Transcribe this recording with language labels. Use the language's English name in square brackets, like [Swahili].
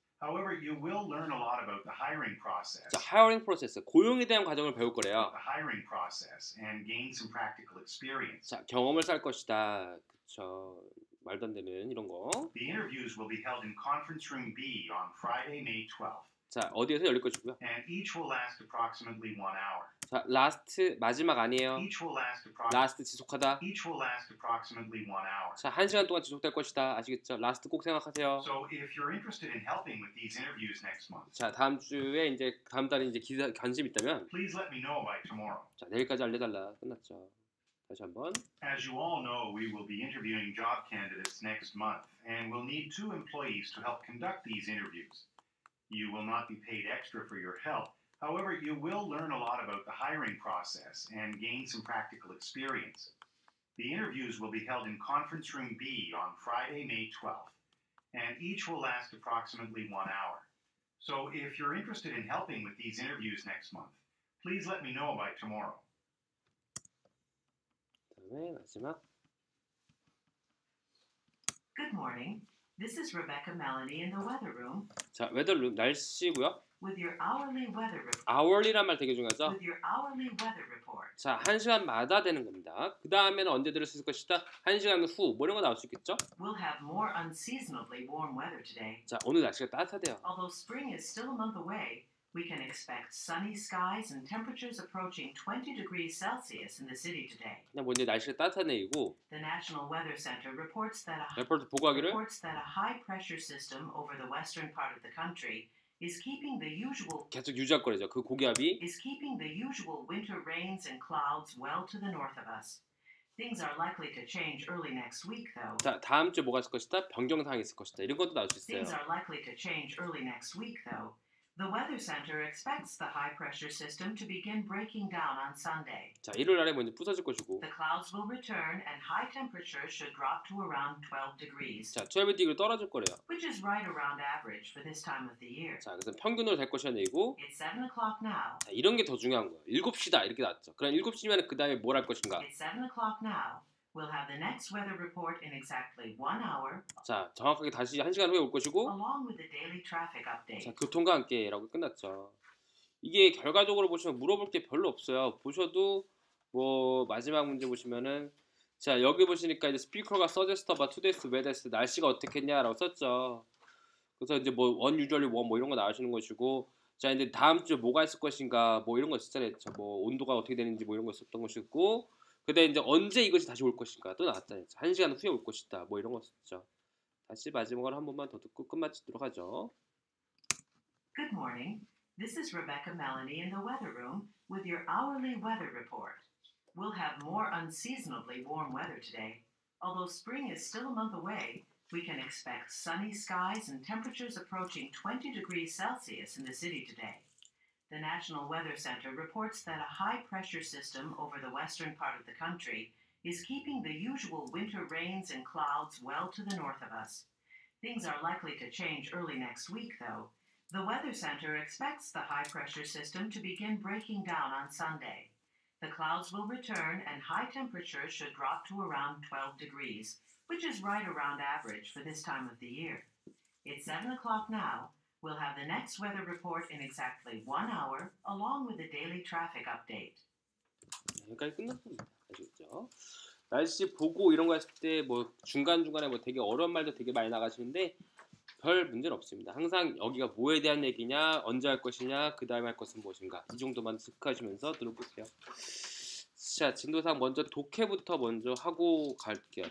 [English] However, you will learn a lot about the hiring process. [Korean] 자, [English] hiring process [Korean] 고용에 대한 과정을 배울 거래요. [English] The hiring process and gain some practical experience. [Korean] 자, 경험을 쌓을 것이다. 그쵸. 말도 안 되는 이런 거. [English] The interviews will be held in conference room B on Friday, May 12th. [Korean] 자, 어디에서 열릴 것이고요. [English] And each will last approximately one hour. [Korean] 자, last 마지막 아니에요. last 지속하다. [English] Each will last approximately 1 hour. [Korean] 자, 한 시간 동안 지속될 것이다. 아시겠죠? last 꼭 생각하세요. [English] So if you're interested in helping with these interviews next month. [Korean] 자, 다음 주에 이제 다음 달에 이제 기사 관심 있다면 [English] please let me know by tomorrow. [Korean] 자, 내일까지 알려 달라. 끝났죠. 다시 한번. [English] As you all know, we will be interviewing job candidates next month and we'll need 2 employees to help conduct these interviews. You will not be paid extra for your help. However, you will learn a lot about the hiring process and gain some practical experience. The interviews will be held in Conference Room B on Friday, May 12th, and each will last approximately 1 hour. So if you're interested in helping with these interviews next month, please let me know by tomorrow. [Korean] 마지막. [English] Good morning. This is Rebecca Melanie in the weather room. [Korean] 자, 웨더룸 날씨고요. [English] With your hourly weather report. [Korean] Hourly란 말 되게 중요하죠. [English] With your hourly weather report. [Korean] 자, 한 시간마다 되는 겁니다. 그 다음에는 언제 들을 수 있을 것이다. 한 시간 후 뭐 이런 거 나올 수 있겠죠? [English] We'll have more unseasonably warm weather today. [Korean] 자, 오늘 날씨가 따뜻하대요. [English] Although spring is still a month away, we can expect sunny skies and temperatures approaching 20 degrees Celsius in the city today. [Korean] 그냥 뭔지 날씨가 따뜻한 얘기고. [English] The National Weather Center reports that a [Korean] 레포트 보고하기를. [English] Reports that a high pressure system over the western part of the country. Is keeping the usual [Korean] 계속 유지할 거래죠. 그 고기압이 [English] is keeping the usual winter rains and clouds well to the north of us. Things are likely to change early next week though. [Korean] 자, 다음 주 뭐가 있을 것이다? 변경 사항이 있을 것이다. 이런 것도 나올 수 있어요. [English] Things are likely to change early next week though. The weather center expects the high pressure system to begin breaking down on Sunday. [Korean] 자, 일요일 날에 먼저 부서질 것이고 [English] the clouds will return and high temperatures should drop to around 12 degrees. [Korean] 자, [English] 12 degrees [Korean] 떨어질 거래요. [English] Which is right around average for this time of the year. [Korean] 자, 그래서 평균으로 될 것이라는 얘기고 [English] It's 7 o'clock now. [Korean] 자, 이런 게 더 중요한 거예요. 7시다 이렇게 나왔죠. 그럼 7시면 그 다음에 뭘 할 것인가? [English] It's 7 o'clock now. We'll have the next weather report in exactly 1 hour. [Korean] 자, 정확하게 다시 1시간 후에 올 것이고 [English] along with the daily traffic update. [Korean] 자, 교통과 함께라고 끝났죠. 이게 결과적으로 보시면 물어볼 게 별로 없어요. 보셔도 뭐 마지막 문제 보시면은 자, 여기 보시니까 이제 스피커가 [English] suggest about today's weather, [Korean] 날씨가 어떻겠냐라고 썼죠. 그래서 이제 뭐 [English] one usually one [Korean] 뭐 이런 거 나오시는 것이고 자, 이제 다음 주 뭐가 있을 것인가 뭐 이런 거 있었잖아요. 뭐 온도가 어떻게 되는지 뭐 이런 거 있었던 것이고 근데 이제 언제 이것이 다시 올 것인가 또 나왔잖아요. 한 시간 후에 올 것이다. 뭐 이런 거였죠. 다시 마지막으로 한 번만 더 듣고 끝마치도록 하죠. [English] Good morning. This is Rebecca Melanie in the weather room with your hourly weather report. We'll have more unseasonably warm weather today. Although spring is still a month away, we can expect sunny skies and temperatures approaching 20 degrees Celsius in the city today. The National Weather Center reports that a high pressure system over the western part of the country is keeping the usual winter rains and clouds well to the north of us. Things are likely to change early next week, though. The Weather Center expects the high pressure system to begin breaking down on Sunday. The clouds will return and high temperatures should drop to around 12 degrees, which is right around average for this time of the year. It's 7 o'clock now. We'll have the next weather report in exactly 1 hour, along with the daily traffic update. [Korean] 여기까지 끝났습니다. 아시겠죠? 날씨 보고 이런 거 했을 때 뭐 중간 중간에 뭐 되게 어려운 말도 되게 많이 나가시는데 별 문제는 없습니다. 항상 여기가 뭐에 대한 얘기냐, 언제 할 것이냐, 그 다음에 할 것은 무엇인가 이 정도만 습득하시면서 들어보세요. 자, 진도상 먼저 독해부터 먼저 하고 갈게요.